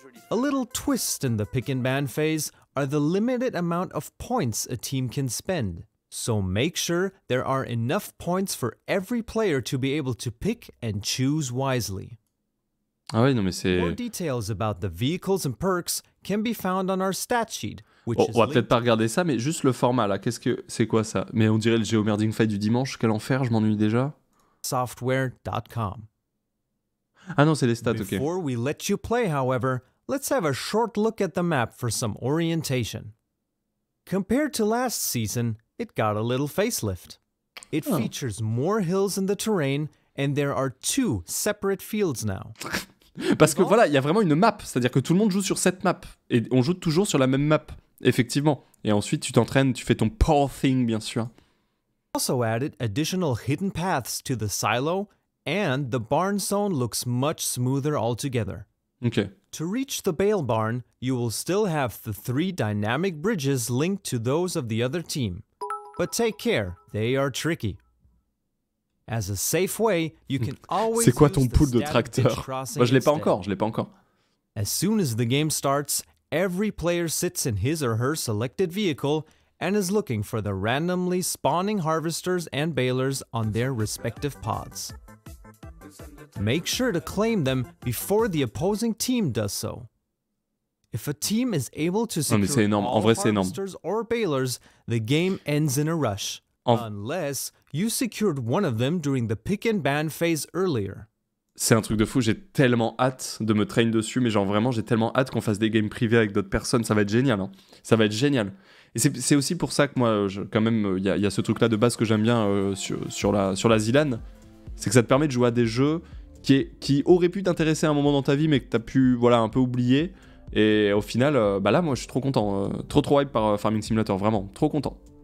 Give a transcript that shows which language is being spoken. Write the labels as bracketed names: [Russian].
[English] A little twist in the pick and ban phase are the limited amount of points a team can spend. So make sure there are enough points for every player to be able to pick and choose wisely. [French] Ah oui, non mais c'est... [English] More details about the vehicles and perks can be found on our stat sheet. [French] On va peut-être pas regarder ça, mais juste le format là, qu'est-ce que c'est quoi ça? Mais on dirait le Geomerding Fight du dimanche, quel enfer, je m'ennuie déjà. Software.com. Ah non, c'est les stats, ok. [English] Before we let you play, however, let's have a short look at the map for some orientation. Compared to last season, it got a little facelift. It features more hills in the terrain, and there are two separate fields now. [French] Parce que voilà, il y a vraiment une map, c'est-à-dire que tout le monde joue sur cette map, et on joue toujours sur la même map. Effectivement. Et ensuite, tu t'entraînes, tu fais ton paw thing, bien sûr. [English] Also added additional hidden paths to the silo, and the barn zone looks much smoother altogether. Okay. To reach the bale barn, you will still have the three dynamic bridges linked to those of the other team. But take care, they are tricky. As a safe way, you can always... [French] C'est quoi ton pool de tracteur? Moi, je l'ai pas encore. [English] As soon as the game starts, every player sits in his or her selected vehicle and is looking for the randomly spawning harvesters and balers on their respective pods. Make sure to claim them before the opposing team does so. If a team is able to secure harvesters or balers, the game ends in a rush. Unless you secured one of them during the pick and ban phase earlier. [French] C'est un truc de fou, j'ai tellement hâte de me train dessus, mais genre vraiment, j'ai tellement hâte qu'on fasse des games privés avec d'autres personnes, ça va être génial, hein. Ça va être génial. Et c'est aussi pour ça que moi, quand même, il y a ce truc-là de base que j'aime bien sur la Zilan, c'est que ça te permet de jouer à des jeux qui auraient pu t'intéresser à un moment dans ta vie, mais que t'as pu, voilà, un peu oublier, et au final, là, moi, je suis trop content, trop hype par Farming Simulator, vraiment, trop content.